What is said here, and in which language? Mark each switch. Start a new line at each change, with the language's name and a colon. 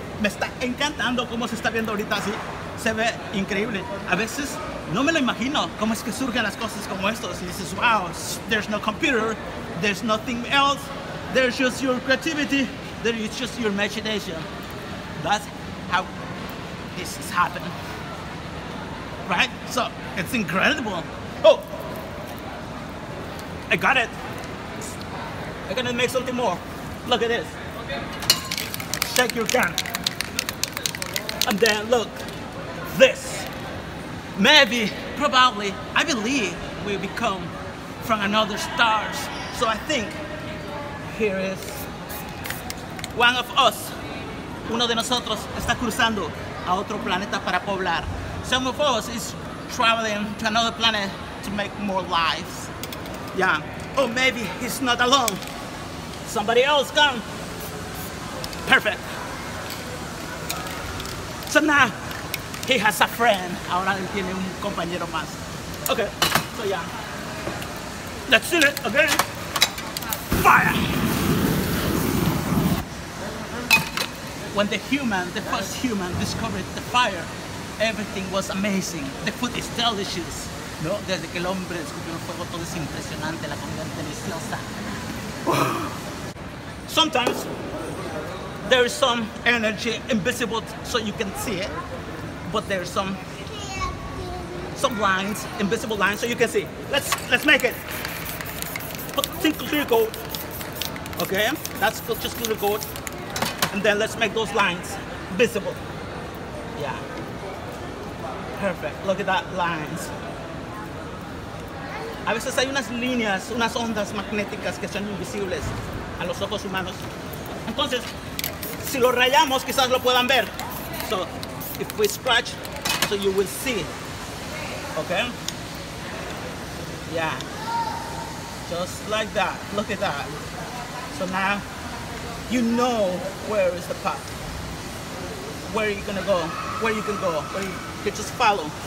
Spanish: Me está encantando como se está viendo ahorita así. Se ve increíble. A veces, no me lo imagino cómo es que surgen las cosas como estos. Y dices,
English: wow, there's no computer, there's nothing else. There's just your creativity, there is just your imagination. That's how this is happening, right? So it's incredible. Oh, I got it. I'm gonna make something more. Look at this. Okay. Shake your can. And then look, this. Maybe, probably, I believe we become from another stars. So I think here is one of us.
Spanish: Uno de nosotros está cruzando a otro planeta para poblar.
English: Some of us is traveling to another planet to make more lives. Yeah. Oh, maybe he's not alone. Somebody else come. Perfect. So now he has a friend.
Spanish: Ahora él tiene un compañero más.
English: Okay. So yeah. Let's do it again. Fire. When the first human discovered the fire, everything was amazing. The food is delicious.
Spanish: No, desde que el hombre descubrió el fuego, todo es impresionante. La comida es deliciosa.
English: Sometimes there is some energy invisible, so you can see it. But there's some lines, invisible lines, so you can see. Let's make it. Put think clear code. Okay, that's just clear code. And then let's make those lines visible. Yeah. Perfect. Look at that lines.
Spanish: A veces hay unas líneas, unas ondas magnéticas que son invisibles a los ojos humanos. Entonces, si lo rayamos, quizás lo puedan ver.
English: So, if we scratch, so you will see. Okay? Yeah. Just like that. Look at that. So now, you know where is the path. Where are you gonna go? Where you can go? Where you can just follow.